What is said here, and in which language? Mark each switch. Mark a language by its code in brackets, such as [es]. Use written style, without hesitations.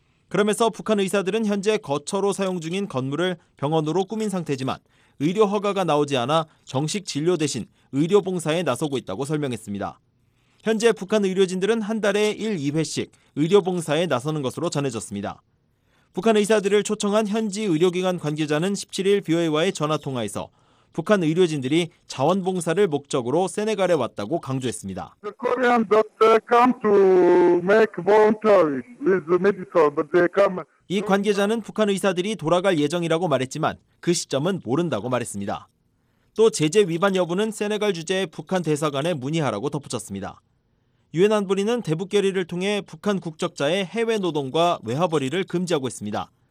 [ko] 그러면서 북한 의사들은 현재 거처로 사용 중인 건물을 병원으로 꾸민 상태지만 의료 허가가 나오지 않아 정식 진료 대신 의료 봉사에 나서고 있다고 설명했습니다. 현재 북한 의료진들은 한 달에 1, 2회씩 의료 봉사에 나서는 것으로 전해졌습니다. 북한 의사들을 초청한 현지 의료기관 관계자는 17일 BOA와의 전화통화에서 북한 의료진들이 자원봉사를 목적으로 세네갈에 왔다고 강조했습니다. [en] The Koreans don't come to make voluntary with medical, but they come. [ko] 이 관계자는 북한 의사들이 돌아갈 예정이라고 말했지만 그 시점은 모른다고 말했습니다. 또 제재 위반 여부는 세네갈 주재 북한 대사관에 문의하라고 덧붙였습니다. 유엔 안보리는 대북 결의를 통해 북한 국적자의 해외 노동과 외화벌이를 금지하고 있습니다.